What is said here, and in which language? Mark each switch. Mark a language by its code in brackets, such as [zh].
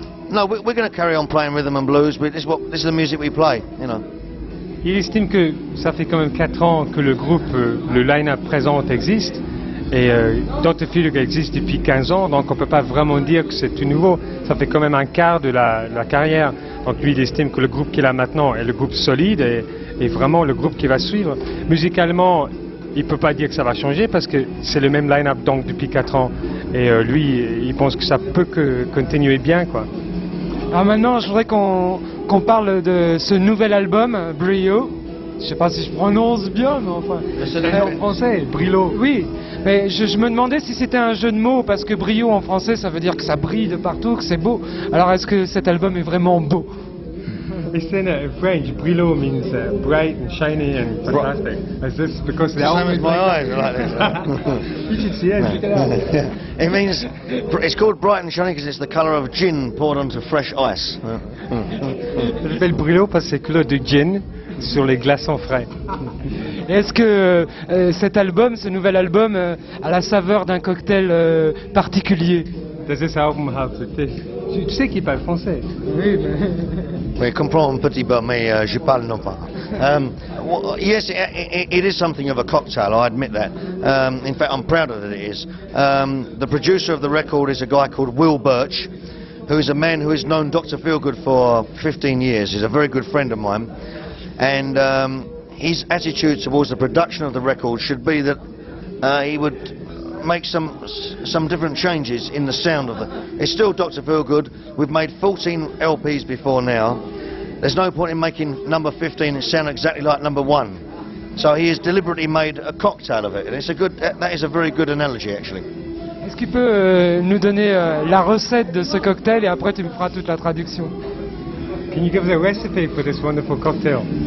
[en] No, we're going to carry on playing rhythm and blues, but this is the music we play, you know. [fr] Il estime que ça fait quand même 4 ans que le groupe, le line-up présent existe, et Dr. Feelgood existe depuis 15 ans, donc on ne peut pas vraiment dire que c'est tout nouveau. Ça fait quand même un quart de la carrière. Donc lui, il estime que le groupe qu'il a maintenant est le groupe solide et vraiment le groupe qui va suivre. Musicalement, il ne peut pas dire que ça va changer parce que c'est le même line-up donc depuis 4 ans. Et lui, il pense que ça peut que continuer bien, quoi. Alors maintenant, je voudrais qu'on parle de ce nouvel album, Brillo. Je ne sais pas si je prononce bien, mais enfin... C'est le nom en français, Brillo. Oui, mais je me demandais si c'était un jeu de mots, parce que Brillo en français, ça veut dire que ça brille de partout, que c'est beau. Alors est-ce que cet album est vraiment beau? [en] It's in French. Brillo means bright and shiny and fantastic. Is this because the album is my like eyes like this? You should see it. It means it's called bright and shiny because it's the color of gin poured onto fresh ice. [fr] Ça s'appelle Brillo parce que c'est couleur de gin sur les glaçons frais. Est-ce que cet album, ce nouvel album, a la saveur d'un cocktail particulier? [en] Does this album have the taste? [fr] Tu sais qu'il parle français. Oui, mais... Oui, comprends un petit peu, mais je parle non pas. [en] Yes, it is something of a cocktail, I admit that. In fact, I'm proud of that it is. The producer of the record is a guy called Will Birch, who is a man who has known Dr. Feelgood for 15 years. He's a very good friend of mine. And his attitude towards the production of the record should be that he would make some different changes in the sound of it. It's still Dr. Feelgood. We've made 14 LPs before now. There's no point in making number 15 sound exactly like number 1. So he has deliberately made a cocktail of it. And it's a good, that is a very good analogy actually. [fr] Est-ce qu'il peut nous donner la recette de ce cocktail et après tu me feras toute la traduction? [en] Can you give the recipe for this wonderful cocktail?